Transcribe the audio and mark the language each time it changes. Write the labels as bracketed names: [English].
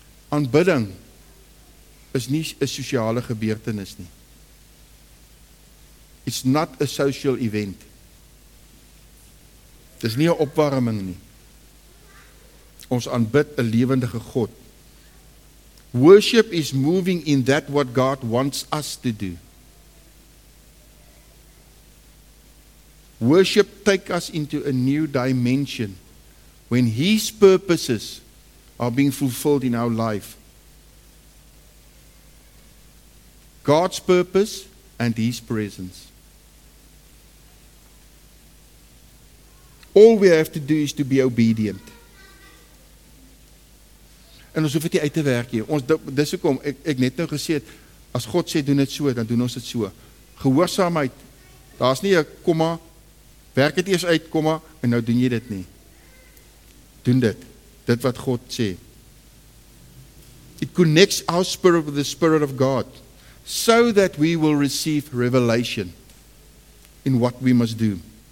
[Afrikaans] Aanbidding is nie 'n sosiale gebeurtenis nie. [English] It's not a social event. [Afrikaans] Dis nie 'n opwarming nie. Ons aanbid 'n lewendige God. [English] Worship is moving in that what God wants us to do. Worship takes us into a new dimension when His purposes are being fulfilled in our life. God's purpose and His presence. All we have to do is to be obedient. [Afrikaans] En ons hoef dit uit te werk hier. Dis hoekom ek net nou gesê het, as God sê doen dit so, dan doen ons dit so. Gehoorsaamheid, daar's nie 'n komma, werk dit eers uit, komma, en nou doen jy dit nie. Doen dit. Dit wat God sê. [English] It connects our spirit with the spirit of God, so that we will receive revelation in what we must do.